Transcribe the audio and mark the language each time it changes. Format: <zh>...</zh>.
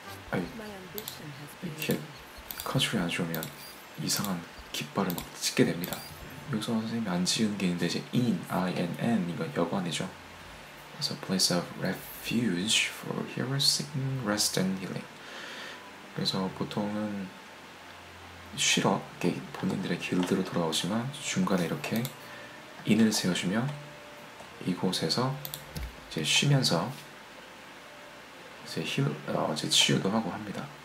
<ko>아니 이렇게 컨트롤이 안 좋으면 이상한 깃발을 막 찍게 됩니다. 여기서 선생님이 안 지은 게 있는데 이제 in, I-N-N 이거 여관이죠.</ko> <en>It's a place of refuge for heroes seeking rest and healing.</en> <ko>그래서 보통은 쉬러 본인들의 길드로 돌아오지만 중간에 이렇게 인을 세워주면 이곳에서 이제 쉬면서 이제 이제 치유도 하고 합니다.</ko>